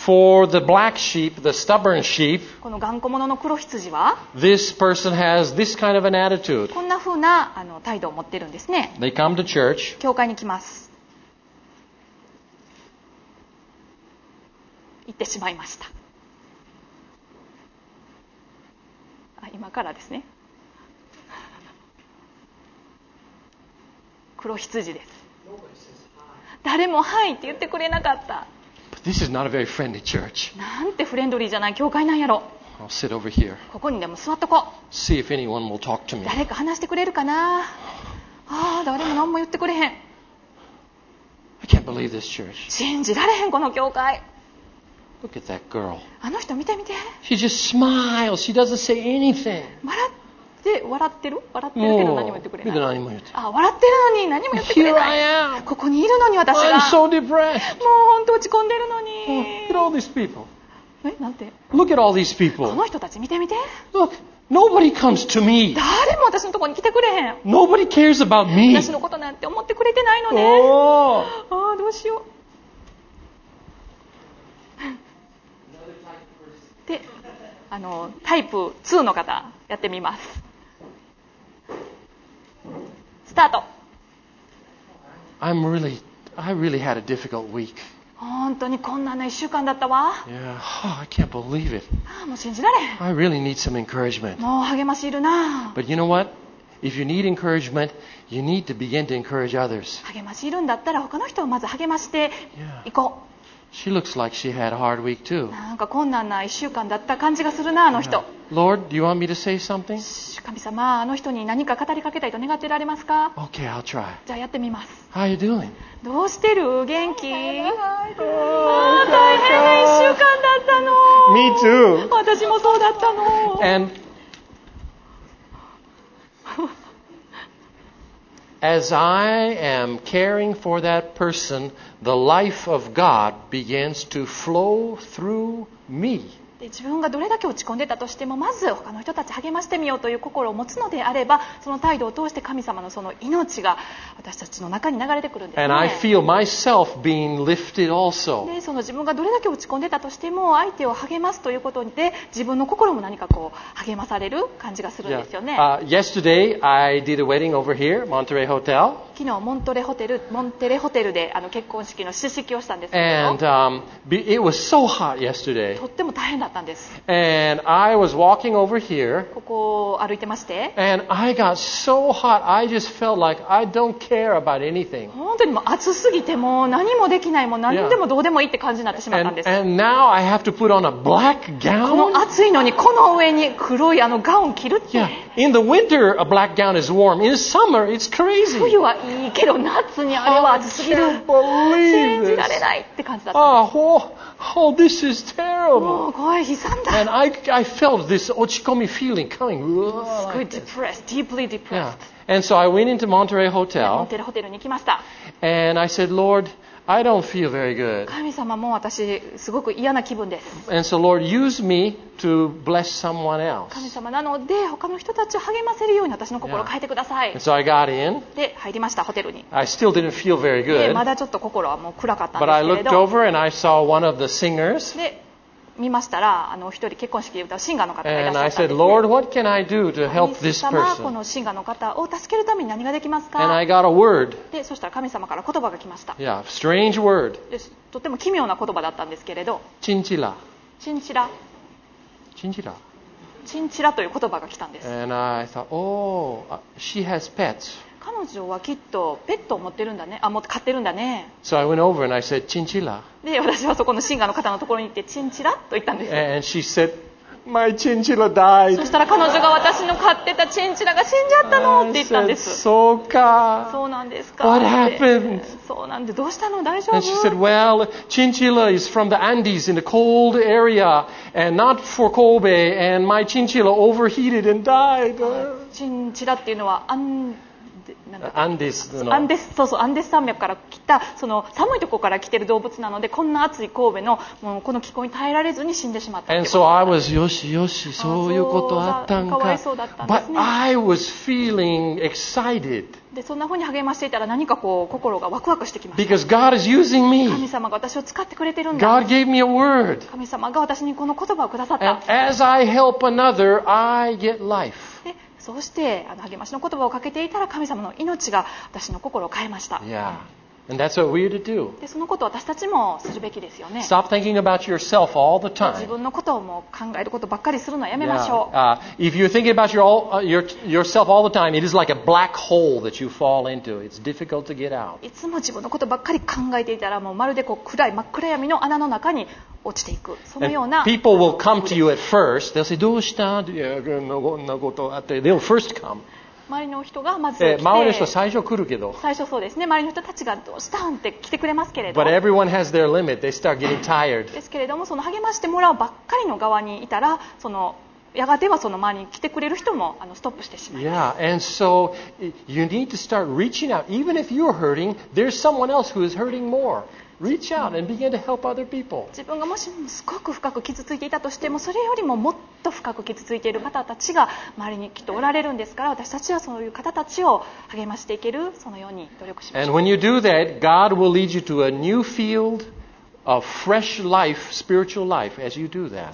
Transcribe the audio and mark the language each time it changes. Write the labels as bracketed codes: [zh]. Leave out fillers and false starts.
[en] For the black sheep, the stubborn sheep. [ja] この頑固者の黒羊は、 [en] This person has this kind of an attitude. [ja] こんな風な態度を持ってるんですね。 [en] They come to church. [ja] 教会に来ます。行ってしまいました。あ、今からですね。黒羊です。誰もはいって言ってくれなかった。 [en] But this is not a very friendly church. [ja] なんてフレンドリーじゃない教会なんやろ。 [en] I'll sit over here. [ja] ここにでも座っとこう。 [en] See if anyone will talk to me. [ja] 誰か話してくれるかな。ああ、誰も何も言ってくれへん。 [en] I can't believe this church. [ja] 信じられへんこの教会。 [en] Look at that girl. [ja] あの人見て見て。 [en] She just smiles. She doesn't say anything. [ja] 笑って笑ってる？笑ってるけど何も言ってくれない。 Oh, 何も言って。あ、笑ってるのに何も言ってくれない。 [en] Here I am. [ja] ここにいるのに私が。 [en] I'm so depressed. [ja] もう本当落ち込んでるのに。 [en] Look at all these people. [ja] え、なんて。 [en] Look at all these people. [ja] この人たち見てみて。 [en] Look, nobody comes to me. [ja] 誰も私のところに来てくれへん。 [en] Nobody cares about me. [ja] 私のことなんて思ってくれてないのね。 Oh. ああ、どうしよう。で、タイプ2の方、やってみます。スタート。 [en] I really had a difficult week. [ja] 本当に困難な1週間だったわ。 [en] Yeah. Oh, I can't believe it. [ja] もう信じられん。 [en] I really need some encouragement. [ja] もう励ましいるな。 [en] But you know what? If you need encouragement, you need to begin to encourage others. [ja] 励ましいるんだったら他の人をまず励ましていこう。 [en] Yeah. She looks like she had a hard week too. [ja] なんか困難な1週間だった感じがするな、あの人。 [en] Yeah. Lord, do you want me to say something? [ja] 神様、あの人に何か語りかけたいと願ってられますか？ [en] Okay, I'll try. [ja] じゃあやってみます。 [en] How are you doing? [ja] どうしてる？元気？ああ、大変な1週間だったの。 [en] Me too. [ja] 私もそうだったの。 [en] And as I am caring for that person, the life of God begins to flow through me. [ja] で、自分がどれだけ落ち込んでたとしても、まず他の人たち励ましてみようという心を持つのであれば、その態度を通して神様のその命が私たちの中に流れてくるんですね。 [en] And I feel myself being lifted also. [ja] で、その自分がどれだけ落ち込んでたとしても、相手を励ますということで自分の心も何かこう励まされる感じがするんですよね。 [en] Yesterday I did a wedding over here, Monterey Hotel. [ja] 昨日モントレホテル、モンテレホテルで結婚式の出席をしたんですけど。 [en] And it was so hot yesterday. [ja] とっても大変だったんです。 [en] And I was walking over here. [ja] ここを歩いてまして。 [en] And I got so hot, I just felt like I don't care about anything. [ja] 本当にもう暑すぎてもう何もできない、もう何でもどうでもいいって感じになってしまったんです。 [en] And now I have to put on a black gown. [ja] この暑いのにこの上に黒いガウン着るって。 [en] Yeah. In the winter, a black gown is warm. In summer, it's crazy. [ja] いいけど夏にあれは暑すぎる、信じられないって感じだった。 [en] Oh, this is terrible. [ja] もう怖い、悲惨だ。 [en] And I felt this 落ち込み feeling coming. すごい depressed, deeply depressed. Yeah. And so I went into Monterey Hotel. [ja] モンテレホテルに行きました。 [en] And I said, Lord, I don't feel very good. [ja] 神様、もう私すごく嫌な気分です。 [en] And so Lord, use me to bless someone else. [ja] 神様、なので他の人たちを励ませるように私の心を変えてください。 [en] Yeah. And so I got in. [ja] で入りました、ホテルに。 [en] I still didn't feel very good. [ja] まだちょっと心はもう暗かったんですけれど。 [en] But I looked over and I saw one of the singers. [ja] で見ましたら一人結婚式で歌うシンガーの方がいらっしゃったんですね。神様、このシンガーの方を助けるために何ができますか？ [en] And I got a word. [ja] で、そしたら神様から言葉が来ました。 [en] Yeah, strange word. [ja] とても奇妙な言葉だったんですけれど。チンチラ。チンチラ。チンチラ。チンチラという言葉が来たんです。 [en] And I thought, oh, she has pets. [ja] 彼女はきっとペットを持ってるんだね。あ、もう飼ってるんだね。 [en] So I went over and I said, チンチラ。 [ja] で、私はそこのシンガーの方のところに行ってチンチラと言ったんです。 [en] And she said, my chinchilla died. [ja] そしたら彼女が私の飼ってたチンチラが死んじゃったのって言ったんです。 [en] I said, そうか。 [ja] そうなんですか。 [en] What happened? [ja] そうなんで、どうしたの、大丈夫？ [en] And she said, well, chinchilla is from the Andes in a cold area and not for Kobe and my chinchilla overheated and died. [ja] チンチラっていうのはアンデスの、アンデス、そうそう、アンデス山脈から来た、その寒いところから来ている動物なので、こんな暑い神戸のもうこの気候に耐えられずに死んでしまったってことです。 [en] And so I was, [ja] よしよし、そういうことあったんか、かわいそうだったんですね。 [en] But I was feeling excited. [ja] でそんな風に励ましていたら何かこう心がワクワクしてきました。 [en] Because God is using me. [ja] 神様が私を使ってくれてるんだ。 [en] God gave me a word. [ja] 神様が私にこの言葉をくださった。 [en] And as I help another, I get life. [ja] そうして励ましの言葉をかけていたら、神様の命が私の心を変えました。 [en] Yeah. And that's what we're to do. [ja] で、そのことを私たちもするべきですよね。 [en] Stop thinking about yourself all the time. [ja] 自分のことをもう考えることばっかりするのはやめましょう。 [en] Yeah. If you're thinking about yourself all the time, it is like a black hole that you fall into. It's difficult to get out. [ja] いつも自分のことばっかり考えていたら、もうまるでこう暗い真っ暗闇の穴の中に落ちていく、そのような。 [en] And people will come to you at first. They'll say, どうした？ [ja] いや、こんなことあって。 [en] They'll first come. [ja] 周りの人がまず来て、周りの人最初来るけど、最初そうですね、周りの人たちがどうしたんって来てくれますけれど、 [en] But everyone has their limit. They start getting tired. [ja] ですけれども、その励ましてもらうばっかりの側にいたら、そのやがてはその周りに来てくれる人もストップしてしまいます。 [en] Yeah, and so you need to start reaching out. Even if you're hurting, there's someone else who is hurting more. Reach out and begin to help other people. [ja] 自分がもしすごく深く傷ついていたとしても、それよりももっと深く傷ついている方たちが周りにきっとおられるんですから、私たちはそういう方たちを励ましていける、そのように努力します。 [en] And when you do that, God will lead you to a new field of fresh life, spiritual life as you do that.